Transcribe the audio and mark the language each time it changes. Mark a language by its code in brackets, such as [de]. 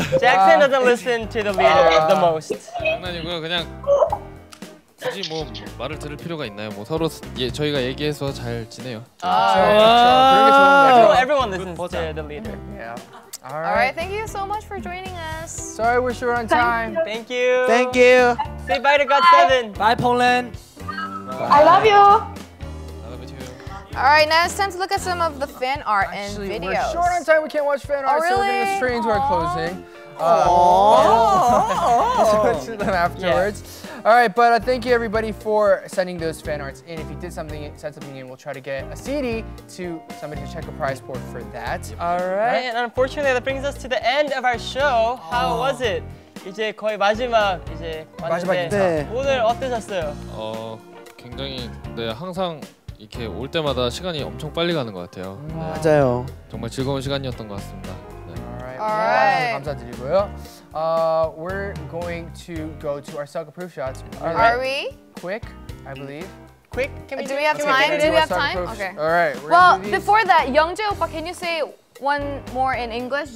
[en] Jackson doesn't listen to the leader the most. [ko] 장난이고요. 그냥 굳이 뭐 말을 들을 필요가 있나요? 뭐 서로 저희가 얘기해서 잘 지내요. 아, 그렇죠. [en] Everyone listens to the leader. Yeah. All right. All right. Thank you so much for joining us. Sorry, we're short on time. Thank you. Thank you. Say bye to GOT7. Bye, Poland. I love you. All right, now it's time to look at some of the fan art and videos. We're short on time. We can't watch fan art, really? So we're gonna stream to our closing. Oh. To them afterwards. Yeah. All right, but thank you everybody for sending those fan arts in. If you did something, send something in. We'll try to get a CD to somebody to check a prize board for that. All right. And unfortunately, that brings us to the end of our show. How was it? [ko] 이제 거의 마지막 이제 마지막 인사. 오늘 어떠셨어요? 굉장히 네 항상. 이렇게 올 때마다 시간이 엄청 빨리 가는 것 같아요. 네. 맞아요. 정말 즐거운 시간이었던 것 같습니다. 네. [en] Alright. [ko] 감사드리고요. [en] We're going to go to our self-approved shots. Are we? Quick, I believe. Quick? Can we do we have time? Okay, do we have time? Okay. Alright. Well, before that, Youngjae [ko] 오빠, [en] can you say one more in English?